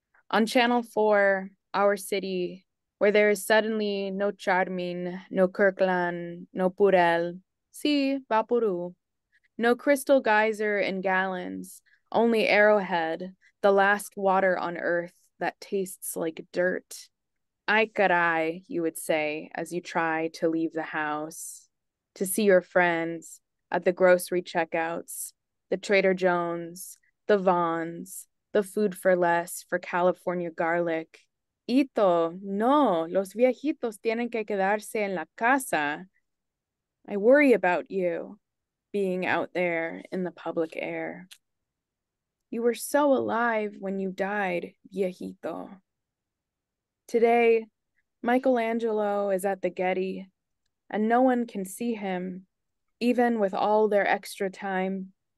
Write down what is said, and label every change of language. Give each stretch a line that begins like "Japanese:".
English: On Channel 4, our city, where there is suddenly no Charmin, no Kirkland, no Purell, see, Vaporu, no crystal geyser and gallons, only Arrowhead, the last water on earth that tastes like dirt.
Spanish: Ay, caray,
English: you would say as you try to leave the house, to see your friends at the grocery checkouts, the Trader Joe's, the Vons, the food for less for California garlic.
Spanish: Ito, no, los viejitos tienen que quedarse en la casa.
English: I worry about you, being out there in the public air. You were so alive when you died, viejito. Today, Michelangelo is at the Getty, and no one can see him, even with all their extra time.